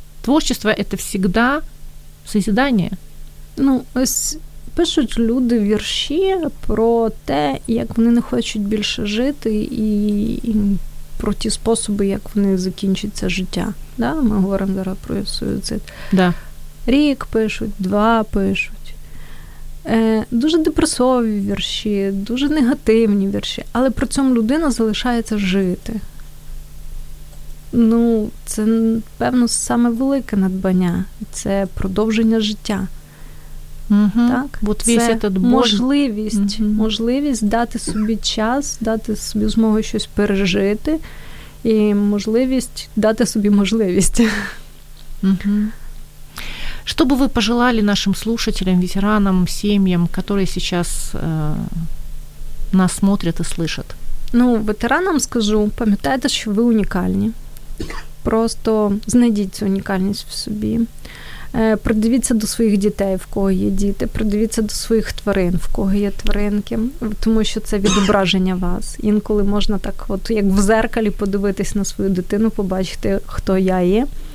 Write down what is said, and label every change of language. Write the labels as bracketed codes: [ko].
[ru] Творчество – это всегда созидание. [uk] Ну, ось пишуть люди вірші про те, як вони не хочуть більше жити і про ті способи, як вони закінчать це життя. Да? Ми говоримо зараз про суїцид. Да. Рік пишуть, два пишуть. Дуже депресові вірші, дуже негативні вірші. Але при цьому людина залишається жити. Ну, це, певно, саме велике надбання. Це продовження життя. Угу. Так? Бо це весь этот боль... можливість. Угу. Можливість дати собі час, дати собі змогу щось пережити. І можливість дати собі можливість. Угу. [ru] Что бы вы пожелали нашим слушателям, ветеранам, семьям, которые сейчас нас смотрят и слышат? [uk] Ну, ветеранам скажу, пам'ятайте, що ви унікальні. Просто знайдіть цю унікальність в собі. Придивіться до своїх дітей, в кого є діти. Придивіться до своїх тварин, в кого є тваринки. Тому що це відображення вас. Інколи можна так, от, як в зеркалі, подивитись на свою дитину, побачити, хто я є.